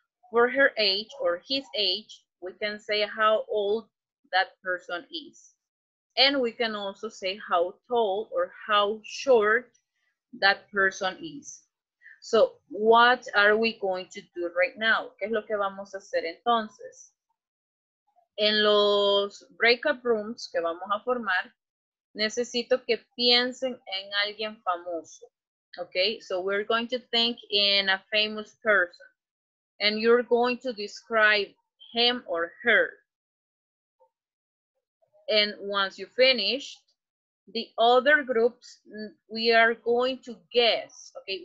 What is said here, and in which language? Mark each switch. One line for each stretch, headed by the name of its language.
English: For her age or his age, we can say how old that person is. And we can also say how tall or how short that person is. So, what are we going to do right now?
Spanish: ¿Qué es lo que vamos a hacer entonces? En los breakout rooms que vamos a formar, necesito que piensen en alguien famoso.
English: Okay, so we're going to think in a famous person. And you're going to describe him or her. And once you finish, the other groups, we are going to guess, okay?